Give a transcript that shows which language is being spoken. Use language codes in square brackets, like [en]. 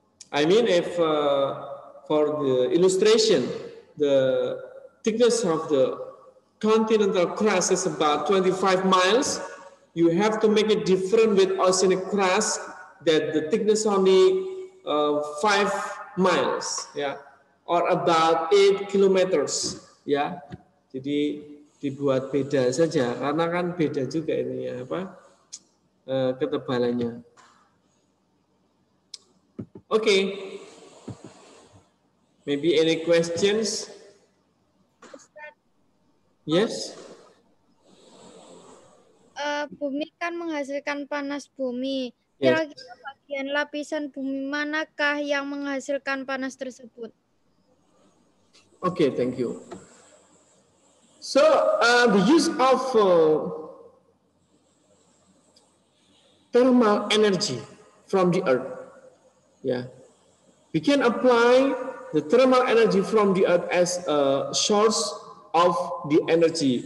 [en] I mean, if for the illustration, the thickness of the continental crust is about 25 miles. You have to make it different with oceanic crust that the thickness only 5 miles, yeah, or about 8 kilometers, yeah. [id] Jadi dibuat beda saja, karena kan beda juga ini ya, apa ketebalannya. [en] Okay. Maybe any questions? Yes. [id] Bumi kan menghasilkan panas bumi. Kira-kira bagian lapisan bumi manakah yang menghasilkan panas tersebut? [en] Okay, thank you. So the use of thermal energy from the earth, yeah, we can apply the thermal energy from the earth as a source of the energy.